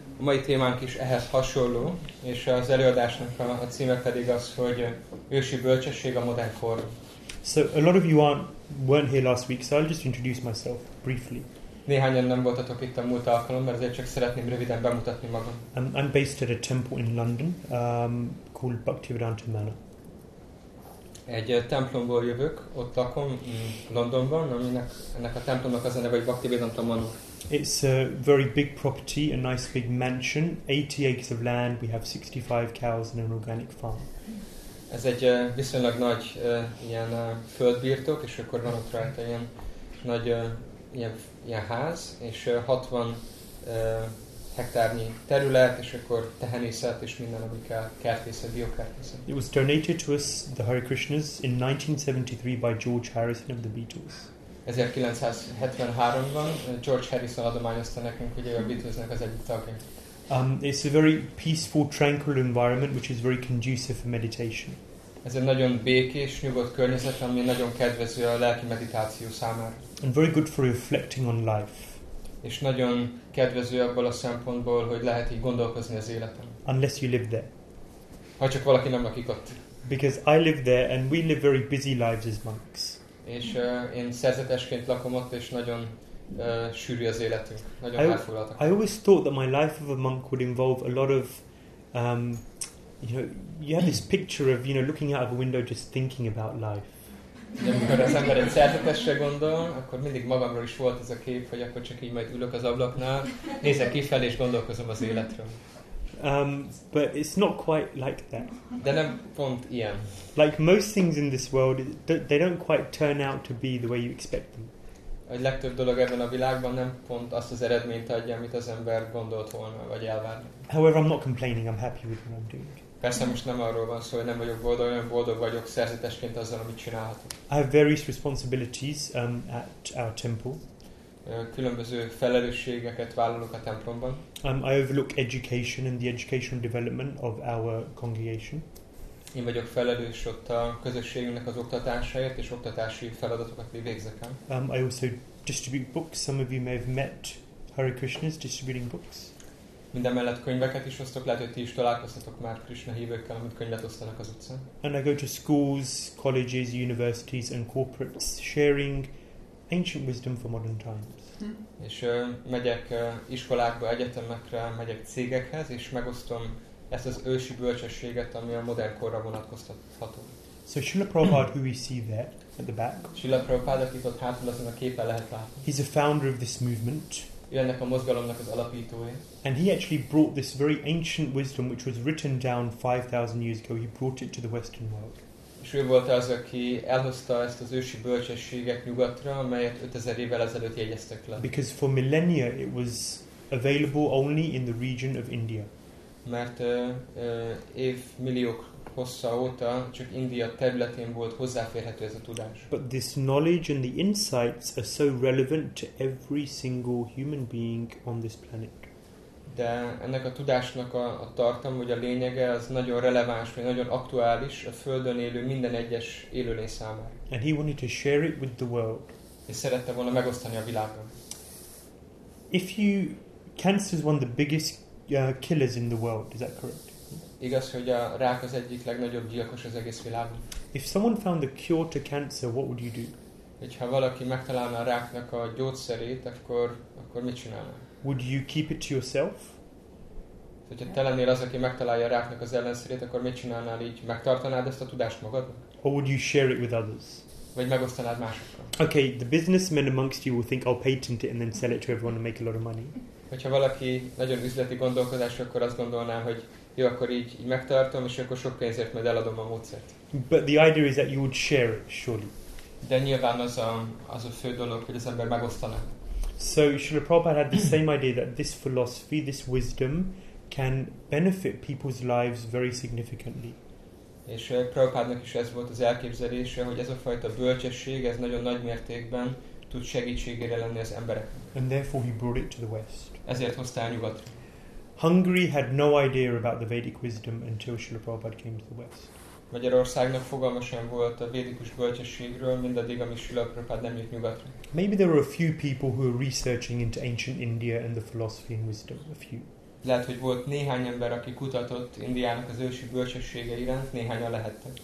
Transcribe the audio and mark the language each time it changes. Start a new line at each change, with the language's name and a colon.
Hungarian: A mai témánk is ehhez hasonló, és az előadásnak a címe pedig az, hogy ősi bölcsesség a modern kor.
English: So a lot of you weren't here last week, so I'll just introduce myself briefly.
Hungarian: Néhányan nem voltatok itt a múlt alkalom, mert azért csak szeretném röviden bemutatni magam.
English: I'm based at a temple in London called Bhaktivedanta Manor.
Hungarian: Egy templomból jövök, ott lakom Londonban, aminek ennek a templomnak az a neve, hogy Bhaktivedanta Manor.
English: It's a very big property, a nice big mansion, 80 acres of land, we have 65 cows and an organic farm.
Hungarian: Ez egy viszonylag nagy ilyen földbirtok, és akkor van ott rajta ilyen nagy ilyen ház, és 60 hektárnyi terület, és akkor tehenészet, és minden, ami kell, kertészet, biokertészet.
English: It was donated to us, the Hare Krishnas, in 1973 by George Harrison of the Beatles.
Hungarian: 1973-ban George Harrison adományozta nekünk, ugye a Beatlesnek az egyik tagja.
English: It's a very peaceful, tranquil environment, which is very conducive for meditation.
Hungarian: Ez egy nagyon békés, nyugodt környezet, ami nagyon kedvező a lelki meditáció számára.
English: And very good for reflecting on life.
Hungarian: És nagyon kedvező abból a szempontból, hogy lehet így gondolkozni az életen.
English: Unless you live there.
Hungarian: Ha csak valaki nem lakik ott.
English: Because I live there, and we live very busy lives as monks.
Hungarian: És én szerzetesként lakom ott, és nagyon... sűrű az életünk, nagyon elfoglaltak.
English: I always thought that my life of a monk would involve a lot of, you have this picture of, looking out of a window just thinking about life.
Hungarian: Amikor az ember egy szerzetesre gondol, akkor mindig magamról is volt ez a kép, hogy akkor csak így majd ülök az ablaknál, nézek kifelé és gondolkozom az életről.
English: But it's not quite like that.
Hungarian: De nem pont ilyen.
English: Like most things in this world, they don't quite turn out to be the way you expect them.
Hungarian: A legtöbb dolog ebben a világban nem pont azt az eredményt adja, amit az ember gondolt volna, vagy elvárna.
English: However, I'm not complaining, I'm happy with what I'm doing.
Hungarian: Persze most nem arról van szó, hogy nem vagyok boldog, olyan boldog vagyok szerzetesként azzal, amit csinálhatok.
English: I have various responsibilities at our temple.
Hungarian: Különböző felelősségeket vállalok a templomban.
English: I overlook education and the educational development of our congregation.
Hungarian: Én vagyok felelős ott a közösségünknek az oktatásáért, és oktatási feladatokat végzek el.
English: I also distribute books. Some of you may have met Hare Krishnas distributing books.
Hungarian: Mindemellett könyveket is osztok, lehet, hogy ti is találkoztatok már Krishna hívőkkel, amit könyvet osztanak az utcán.
English: And I go to schools, colleges, universities and corporates sharing ancient wisdom for modern times.
Hungarian: És megyek iskolákba, egyetemekre, megyek cégekhez, és megosztom ezt az ősi bölcsességet, ami a modern korra vonatkoztatható.
English: So Srila Prabhupada, who we see there at the back.
Hungarian: Srila Prabhupada, akit ott hátul azon a képen lehet látni.
English: He's a founder of this movement.
Hungarian: Ő ennek a mozgalomnak az alapítója.
English: And he actually brought this very ancient wisdom, which was written down 5,000 years ago. He brought it to the Western world.
Hungarian: És ő volt az, aki elhozta ezt az ősi bölcsességet nyugatra, amelyet 5000 évvel ezelőtt jegyeztek le.
English: Because for millennia it was available only in the region of India.
Hungarian: Mert évmilliók hossza óta csak India területén volt hozzáférhető ez a tudás.
English: But this knowledge and the insights are so relevant to every single human being on this planet.
Hungarian: De ennek a tudásnak a tartam, vagy a lényege, az nagyon releváns, vagy nagyon aktuális a Földön élő minden egyes élőlény számára.
English: And he wanted to share it with the world.
Hungarian: És szerette volna megosztani a világgal.
English: If you cancer is one of the biggest killers in the world. Is that correct?
Hungarian: Igaz, hogy a rák az egyik legnagyobb gyilkos az egész világon.
English: If someone found the cure to cancer, what would you do?
Hungarian: Hogyha valaki megtalálna a ráknak a gyógyszerét, akkor mit csinálna?
English: Would you keep it to yourself?
Hungarian: Hogyha te lennél az, aki megtalálja a ráknak az ellenszerét, akkor mit csinálnál így? Megtartanád ezt a tudást magadnak?
English: Or would you share it with others?
Hungarian: Vagy megosztanád másokkal?
English: Okay, the businessmen amongst you will think I'll patent it and then sell it to everyone and make a lot of money.
Hungarian: Hogyha valaki nagyon üzleti gondolkodású, akkor azt gondolná, hogy jó, akkor így megtartom, és akkor sok pénzért majd eladom a módszert.
English: But the idea is that you would share it, surely.
Hungarian: De nyilván az a fő dolog, hogy az ember megosztaná.
English: So Srila Prabhupada had the same idea that this philosophy, this wisdom can benefit people's lives very significantly.
Hungarian: És Prabhupádnak is ez volt az elképzelése, hogy ez a fajta bölcsesség, ez nagyon nagy mértékben tud segítségére lenni az emberek.
English: And therefore he brought it to the West.
Hungarian: Ezért hozta el nyugatra.
English: Hungary had no idea about the Vedic wisdom until Srila Prabhupada came to the West.
Hungarian: Magyarországnak fogalma sem volt a védikus bölcsességről, mindaddig, amíg Srila Prabhupada nem jött nyugatra.
English: Maybe there were a few people who were researching into ancient India and the philosophy and wisdom, a few.
Hungarian: Lehet, hogy volt néhány ember, aki kutatott Indiának az ősi bölcsessége iránt, néhányan lehettek.